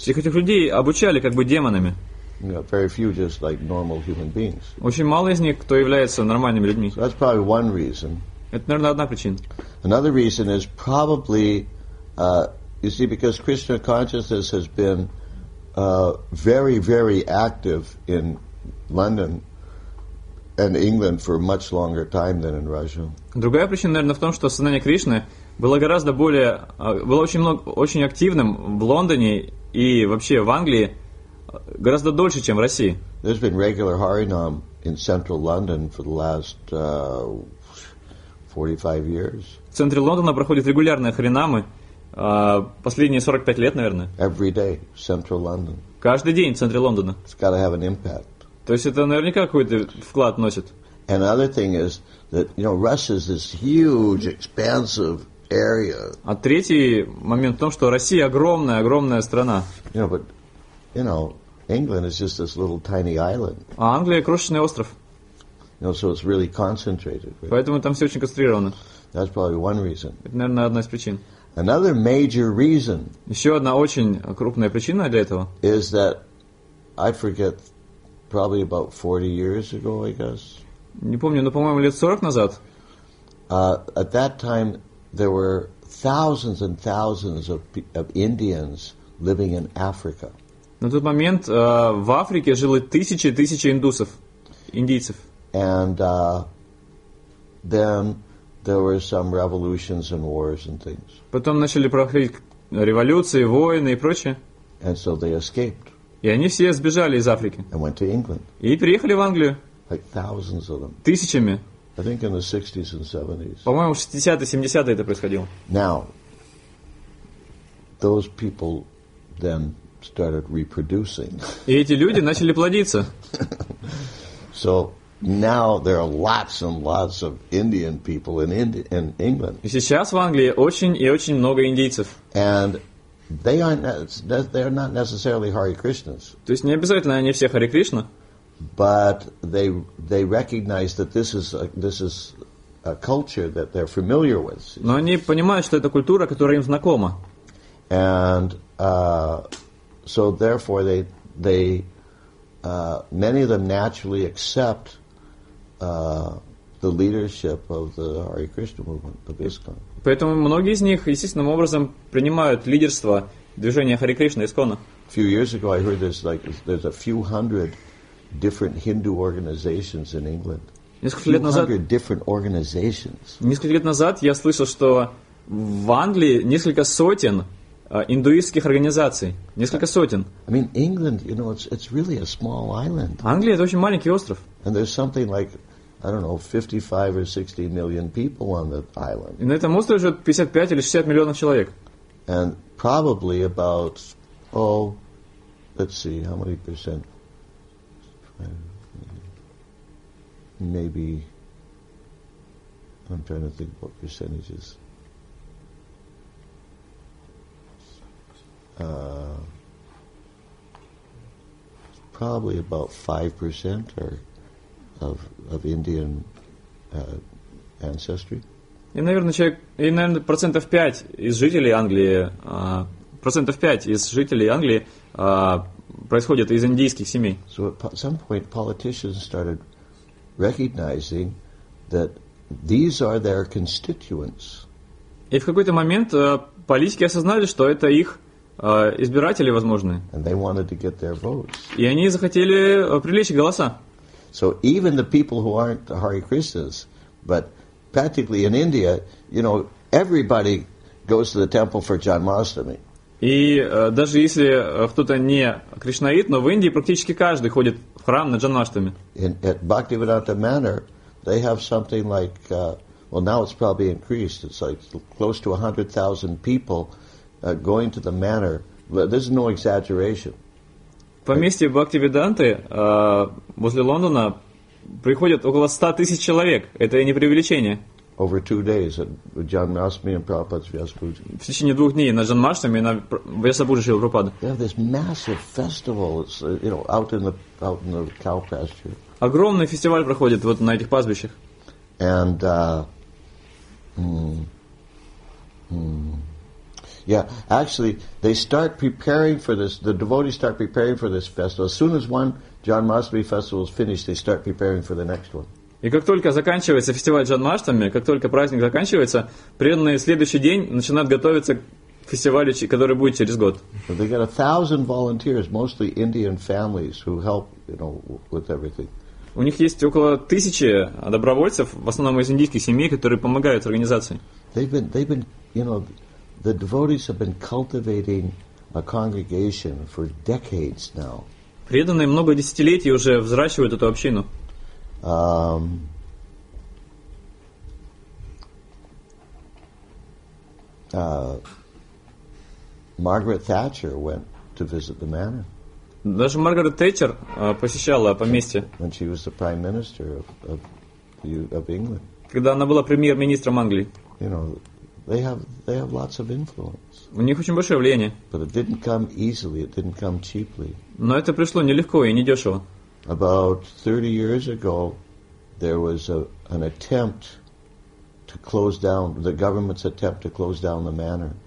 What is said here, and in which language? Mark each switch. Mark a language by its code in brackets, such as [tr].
[ru] Всех этих людей обучали как бы демонами. [en] Very few just like normal human beings. [ru] Очень мало из них, кто является нормальными людьми. [en] So that's probably one reason. [ru] Это, наверное, одна причина. [en] Another reason is probably, you see, because Krishna consciousness has been very, very active in London and England for much longer time than in Russia. [ru] Другая причина, наверное, в том, что сознание Кришны было гораздо более, было очень много, очень активным в Лондоне и вообще в Англии гораздо дольше, чем в России. [en] There's been regular Harinam in central London for the last 45 years. [ru] В центре Лондона проходят регулярные Харинамы последние 45 лет, наверное. [en] Every day, central London. [ru] Каждый день в центре Лондона. [en] It's got to have an impact. [ru] То есть это наверняка какой-то вклад носит. [en] And another thing is that, you know, Russia is this huge, expansive area. [ru] А третий момент в том, что Россия огромная, огромная страна. [en] You know, but, you know, England is just this little tiny island. [ru] А Англия крошечный остров. [en] You know, so it's really concentrated. Right? [ru] Поэтому там все очень концентрировано. [en] That's probably one reason. [ru] Это, наверное, одна из причин. [en] Another major reason. [ru] Еще одна очень крупная причина для этого. [en] Is that I forget probably about 40 years ago, I guess. [ru] Не помню, но, по-моему, лет 40 назад. [en] At that time there were thousands and thousands of Indians living in Africa. [ru] На тот момент в Африке жили тысячи и тысячи индусов, индийцев. [en] And then there were some revolutions and wars and things. [ru] Потом начали проходить революции, войны и прочее. [en] And so they escaped. [ru] И они все сбежали из Африки. [en] And went to England. [ru] И переехали в Англию. [en] Like thousands of them. [ru] Тысячами. [en] I think in the 60s and 70s. [ru] По-моему, в 60-е, 70-е это происходило. [en] Now, those people then started reproducing. [ru] И эти люди начали плодиться. [en] So now there are lots and lots of Indian people in England. [ru] И сейчас в Англии очень и очень много индейцев. [en] And they are not necessarily Hare Krishnas. [ru] То есть не обязательно они все Hare Krishna. [en] But they recognize that this is a culture that they're familiar with. [ru] Но они понимают, что это культура, которая им знакома. [en] And so therefore they many of them naturally accept the leadership of the Hare Krishna movement of ISKCON. [ru] Поэтому многие из них естественным образом принимают лидерство движения Hare Krishna ISKCON. [en] A few years ago, I heard there's a few hundred different Hindu organizations in England. [ru] Несколько лет назад я слышал, что в Англии несколько сотен индуистских организаций. Несколько сотен. [en] I mean, England, you know, it's really a small island. [ru] Англия — это очень маленький остров. [en] And there's something like, I don't know, 55 or 60 million people on the island. [ru] И на этом острове живет 55 или 60 миллионов человек. [en] And probably about, oh, let's see, how many percent? Maybe I'm trying to think what percentages. Uh, probably about 5% or of Indian ancestry. [ru] И, наверное, процентов 5 из жителей Англии, процентов 5 из жителей Англии происходят из индийских семей. [en] So at some point politicians started recognizing that these are their constituents. [ru] И в какой-то момент политики осознали, что это их избиратели, возможно. [en] And they wanted to get their votes. [ru] И они захотели привлечь голоса. [en] So even the people who aren't the Hare Krishnas, but practically in India, you know, everybody goes to the temple for Janmashtami. [ru] И даже если кто-то не кришнаит, но в Индии практически каждый ходит в храм на Джанмаштами. [en] At Bhaktivedanta Manor, they have something like, well, now it's probably increased. It's like close to 100,000 people going to the manor. There's no exaggeration. [ru] Поместье Бхактивиданты возле Лондона приходят около 100 тысяч человек. Это не преувеличение. [en] Over 2 days at Janmashtami and Prabhupada's Vyasapuja. [ru] В течение двух дней на Джанмаштами и на Вьясапуджи Прабхупада. [en] They have this massive festival, it's, you know, out in the cow pasture. [ru] Огромный фестиваль проходит вот на этих пастбищах. [en] And yeah, actually, they start preparing for this. The devotees start preparing for this festival. As soon as one Janmashtami festival is finished, they start preparing for the next one. [ru] И как только заканчивается фестиваль Джанмаштами, как только праздник заканчивается, преданные следующий день начинают готовиться к фестивалю, который будет через год. [en] So they get 1,000 volunteers, mostly Indian families, who help, you know, with everything. [ru] У них есть около 1,000 добровольцев, в основном из индийских семей, которые помогают организации. [en] They've been, you know, the devotees have been cultivating a congregation for decades now. [ru] Преданные много десятилетий уже взращивают эту общину. [en] Margaret Thatcher went to visit the manor. [ru] Даже Маргарет Тэтчер посещала поместье. [en] When she was the prime minister of England. [ru] Когда она была премьер-министром Англии. [en] You know, they have lots of influence. [ru] У них очень большое влияние. [en] But it didn't come easily. It didn't come cheaply. [ru] Но это пришло нелегко и недешево. [en] About 30 years ago, there was an attempt to close down, the government's attempt to close down the manor.